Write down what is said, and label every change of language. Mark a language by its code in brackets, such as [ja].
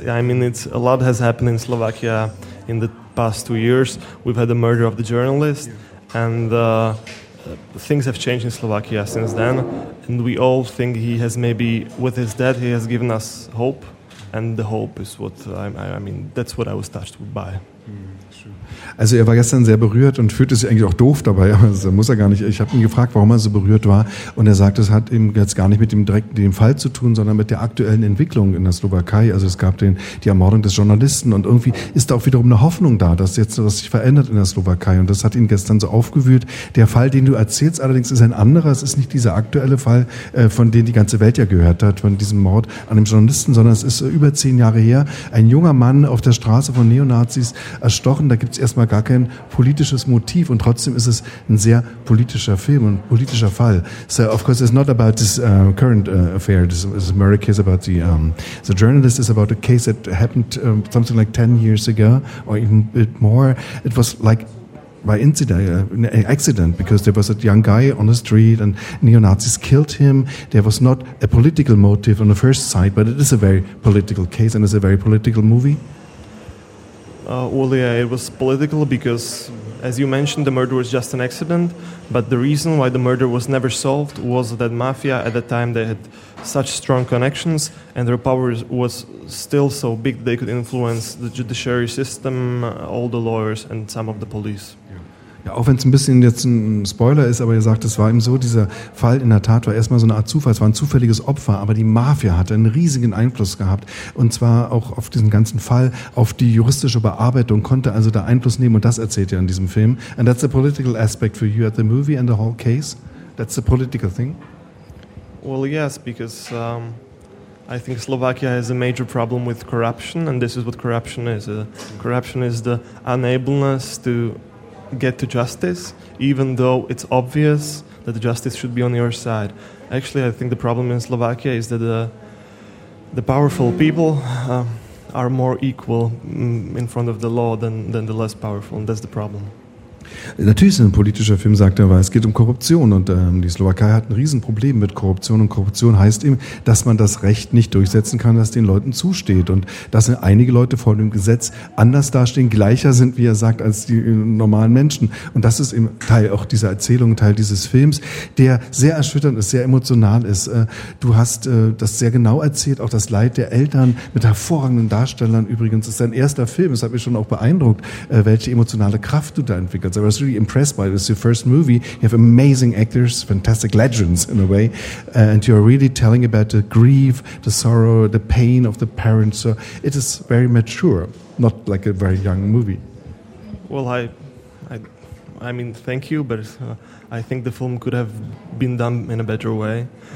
[en] I mean, a lot has happened in Slovakia in the past 2 years. We've had the murder of the journalist, and things have changed in Slovakia since then, and we all think he has maybe, with his death, he has given us hope, and the hope is what, I mean, that's what I was touched by. [de] Also er war gestern sehr berührt und fühlte sich eigentlich auch doof dabei, aber das muss er gar nicht. Ich habe ihn gefragt, warum er so berührt war, und er sagt, es hat eben jetzt gar nicht mit dem direkten Fall zu tun, sondern mit der aktuellen Entwicklung in der Slowakei. Also es gab die Ermordung des Journalisten, und irgendwie ist da auch wiederum eine Hoffnung da, dass jetzt was sich verändert in der Slowakei, und das hat ihn gestern so aufgewühlt. Der Fall, den du erzählst allerdings, ist ein anderer. Es ist nicht dieser aktuelle Fall, von dem die ganze Welt ja gehört hat, von diesem Mord an dem Journalisten, sondern es ist über 10 Jahre her. Ein junger Mann auf der Straße von Neonazis erstochen. Da gibt es erstmal gar kein politisches Motiv, und trotzdem ist es ein sehr politischer Film und politischer Fall. [en] So of course it's not about this current affair, this is a murder case about the journalist. It's about a case that happened something like 10 years ago or even a bit more. It was like by an accident, because there was a young guy on the street and neo-Nazis killed him. There was not a political motive on the first sight, but it is a very political case and it's a very political movie. Well, yeah, it was political because, as you mentioned, the murder was just an accident. But the reason why the murder was never solved was that mafia, at the time, they had such strong connections, and their power was still so big they could influence the judiciary system, all the lawyers, and some of the police. [de] Ja, auch wenn es ein bisschen jetzt ein Spoiler ist, aber ihr sagt, es war eben so, dieser Fall in der Tat war erstmal so eine Art Zufall, es war ein zufälliges Opfer, aber die Mafia hatte einen riesigen Einfluss gehabt, und zwar auch auf diesen ganzen Fall, auf die juristische Bearbeitung, konnte also da Einfluss nehmen, und das erzählt ihr in diesem Film. [en] And that's the political aspect for you at the movie and the whole case? That's the political thing? Well, yes, because I think Slovakia has a major problem with corruption, and this is what corruption is. Corruption is the unableness to get to justice, even though it's obvious that the justice should be on your side. Actually, I think the problem in Slovakia is that the powerful people are more equal in front of the law than the less powerful, and that's the problem. [de] Natürlich ist es ein politischer Film, sagt er, weil es geht um Korruption, und die Slowakei hat ein Riesenproblem mit Korruption, und Korruption heißt eben, dass man das Recht nicht durchsetzen kann, das den Leuten zusteht, und dass einige Leute vor dem Gesetz anders dastehen, gleicher sind, wie er sagt, als die normalen Menschen, und das ist eben Teil auch dieser Erzählung, Teil dieses Films, der sehr erschütternd ist, sehr emotional ist. Du hast das sehr genau erzählt, auch das Leid der Eltern mit hervorragenden Darstellern. Übrigens ist dein erster Film, es hat mich schon auch beeindruckt, welche emotionale Kraft du da entwickelst. [en] I was really impressed by it. It's your first movie. You have amazing actors, fantastic legends in a way, and you are really telling about the grief, the sorrow, the pain of the parents. So it is very mature, not like a very young movie. Well, I mean, thank you, but I think the film could have been done in a better way.